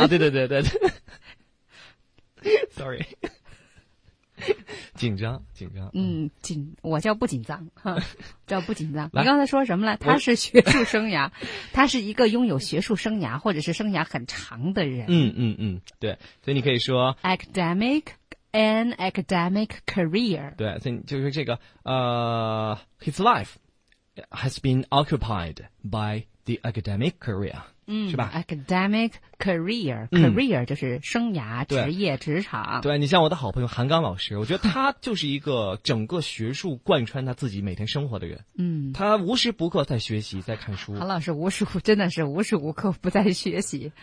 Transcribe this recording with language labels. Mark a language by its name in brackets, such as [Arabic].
[Chinese] 啊！对对对对对。 [English] Sorry。 [Chinese] 紧张紧张，嗯，紧，我叫不紧张哈，叫不紧张。你刚才说什么了？他是学术生涯，他是一个拥有学术生涯或者是生涯很长的人。嗯嗯嗯，对，所以你可以说 [English] academic an academic career。 [Chinese] 对，所以就是这个 [English] his life has been occupied by the academic career。嗯， [Chinese] 是吧？ [English] Academic career，career [Chinese] 就是生涯、职业、职场。对，你像我的好朋友韩刚老师，我觉得他就是一个整个学术贯穿他自己每天生活的人。嗯，他无时不刻在学习，在看书。韩老师无时无刻不在学习。